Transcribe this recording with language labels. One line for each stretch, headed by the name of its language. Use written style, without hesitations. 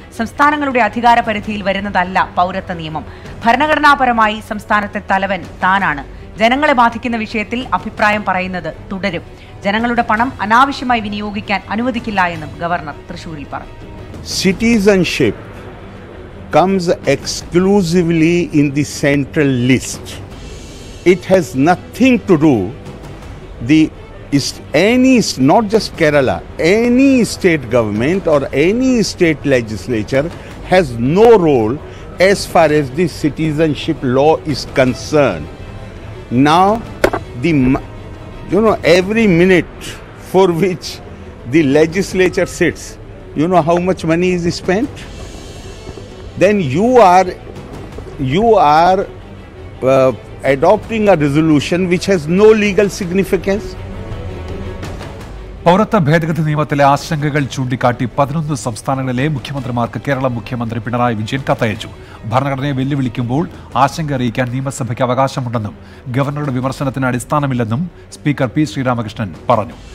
Malayalam: സംസ്ഥാനങ്ങളുടെ അധികാര പരിധിയിൽ വരുന്നതല്ല പൗരത്വ നിയമം. ഭരണഘടനാപരമായി സംസ്ഥാനത്തെ തലവൻ താനാണ്. ജനങ്ങളെ ബാധിക്കുന്ന വിഷയത്തിൽ അഭിപ്രായം പറയുന്നത് തുടരും. ജനങ്ങളുടെ പണം അനാവശ്യമായി വിനിയോഗിക്കാൻ അനുവദിക്കില്ല എന്നും ഗവർണർ തൃശൂരിൽ പറഞ്ഞു.
English: Citizenship comes exclusively in the central list. It has nothing to do the is any not just Kerala, any state government or any state legislature has no role as far as the citizenship law is concerned. Now the you know every minute for which the legislature sits, you know how much money is spent, then you are adopting a resolution which has no legal significance.
Malayalam: പൗരത്വ ഭേദഗതി നിയമത്തിലെ ആശങ്കകൾ ചൂണ്ടിക്കാട്ടി 11 സംസ്ഥാനങ്ങളിലെ മുഖ്യമന്ത്രിമാർക്ക് കേരള മുഖ്യമന്ത്രി പിണറായി വിജയൻ കത്തയച്ചു. ഭരണഘടനയെ വെല്ലുവിളിക്കുമ്പോൾ ആശങ്ക അറിയിക്കാൻ നിയമസഭയ്ക്ക് അവകാശമുണ്ടെന്നും ഗവർണറുടെ വിമർശനത്തിന് അടിസ്ഥാനമില്ലെന്നും സ്പീക്കർ പി ശ്രീരാമകൃഷ്ണൻ പറഞ്ഞു.